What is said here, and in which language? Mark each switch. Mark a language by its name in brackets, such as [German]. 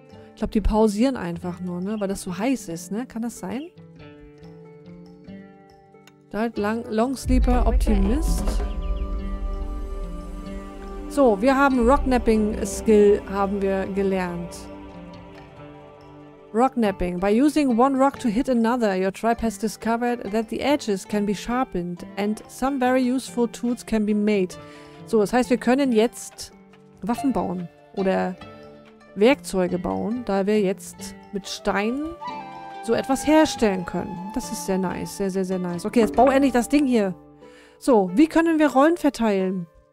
[German] Ich glaube, die pausieren einfach nur, ne? Weil das so heiß ist, ne? Kann das sein? [English] Longsleeper Optimist. [German] So, wir haben Rocknapping-Skill haben wir gelernt. [English] Rocknapping. By using one rock to hit another, your tribe has discovered that the edges can be sharpened and some very useful tools can be made. [German] So, das heißt, wir können jetzt Waffen bauen oder Werkzeuge bauen, da wir jetzt mit Steinen so etwas herstellen können. Das ist sehr nice, sehr, sehr, sehr nice. Okay, jetzt bau endlich das Ding hier. So, wie können wir Rollen verteilen?